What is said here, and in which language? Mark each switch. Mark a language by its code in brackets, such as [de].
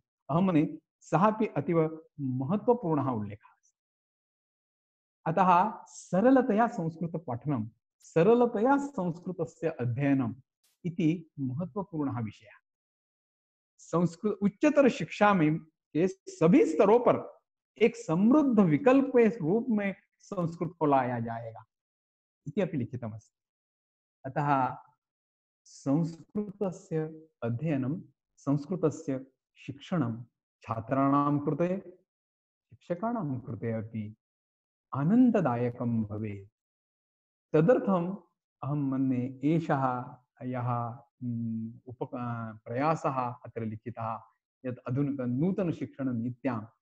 [sa] अहं मन्ये सः अपि अतीव महत्वपूर्णः उल्लेखः अस्ति। अतः सरलतया संस्कृतपठनं, सरलतया संस्कृतस्य अध्ययनम् इति महत्वपूर्णः विषयः। [hi] संस्कृत उच्चतरशिक्षा में सभी स्तरों पर एक समृद्ध विकल्प के रूप में संस्कृत को लाया जाएगा [sa] इति अपि लिखितमस्ति। अतः संस्कृतस्य अध्ययनं, संस्कृतस्य शिक्षणं छात्राणां कृते, शिक्षकाणां कृते अपि आनन्ददायकं भवेत्। तदर्थम् अहं मन्ये एषः यः प्रयासः अत्र लिखितः यत् अधुनिक नूतन शिक्षण नीत्यां